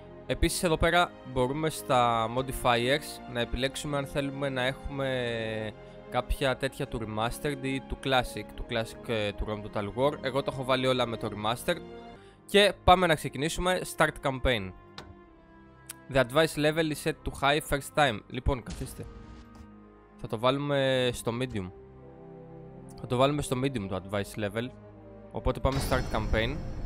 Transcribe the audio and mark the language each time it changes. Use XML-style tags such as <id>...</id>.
<el>Επίσης εδώ πέρα μπορούμε στα Modifiers να επιλέξουμε αν θέλουμε να έχουμε κάποια τέτοια του Remastered ή του Classic, του Classic του ROM Total War. Εγώ το έχω βάλει όλα με το Remastered. Και πάμε να ξεκινήσουμε.</el> <en>Start Campaign. The Advice Level is set to high first time.</en> <el>Λοιπόν, καθίστε. Θα το βάλουμε στο Medium. Θα το βάλουμε στο Medium το Advice Level. Οπότε πάμε Start Campaign.</el>